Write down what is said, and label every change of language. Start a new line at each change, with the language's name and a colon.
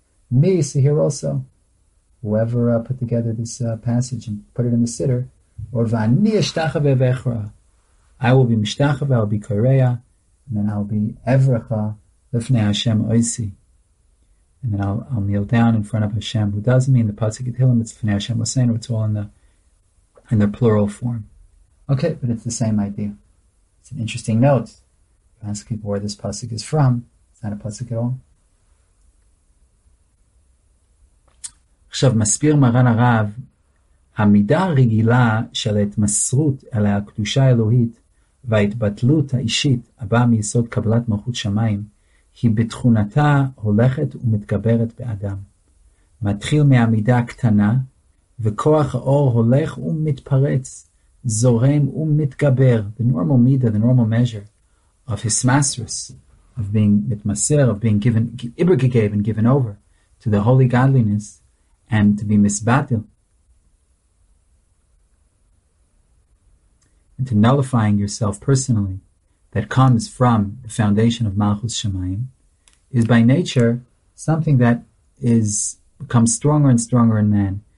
English: Me, so here also. Whoever put together this passage and put it in the Siddur, or v'ani eshtachave v'echra, I will be mishtachave, I will be korea, and then I'll be evracha lifnei Hashem oisi, and then I'll kneel down in front of Hashem. Who does mean the pasuk Tehillim? It's lifnei Hashem oseinu. It's all in the plural form. Okay, but it's the same idea. It's an interesting note. You ask people where this pasuk is from. It's not a pasuk at all.
Hebrew: עכשיו מסביר מרן הרב, המידה הרגילה של ההתמסרות אל הקדושה האלוהית וההתבטלות האישית הבאה מיסוד קבלת מלכות שמיים, היא בתכונתה הולכת ומתגברת באדם. מתחיל מהמידה הקטנה, וכוח האור הולך ומתפרץ, זורם ומתגבר.
English: The normal midah, the normal measure of his masters, of being מתמסר, of being given, ibergegeben, given over to the holy godliness, and to be misbatil, and to nullifying yourself personally, that comes from the foundation of Malchus Shemayim, is by nature something that is becomes stronger and stronger in man.